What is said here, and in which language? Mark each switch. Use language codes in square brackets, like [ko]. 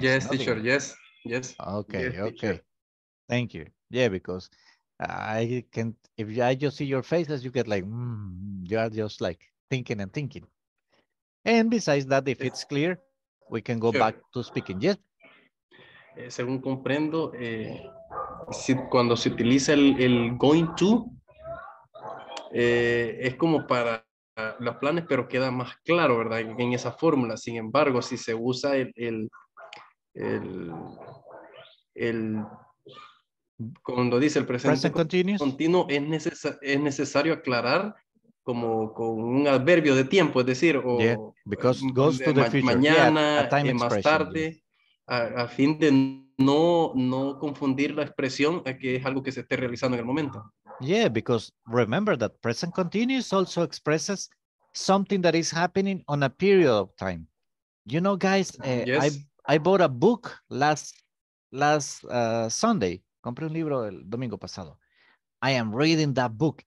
[en] Yes, teacher, yes. Okay, yes, okay. Teacher. Thank you. Yeah, because I can, if I just see your faces, you get like, you are just like thinking and thinking. And besides that, if it's clear, we can go back to speaking. Yes. [es] Según comprendo, cuando se utiliza el going to, es como para los planes, pero queda más claro, ¿verdad? En esa fórmula. Sin embargo, si se usa el cuando dice el presente continuo, es necesario aclarar como con un adverbio de tiempo, es decir, o [en] because goes to the future. [es] Mañana, más tarde, a fin de no confundir la expresión a que es algo que se esté realizando en el momento. [en] Yeah, because remember that present continuous also expresses something that is happening on a period of time. You know, guys, I bought a book last Sunday. [es] Compré un libro el domingo pasado. [en] I am reading that book.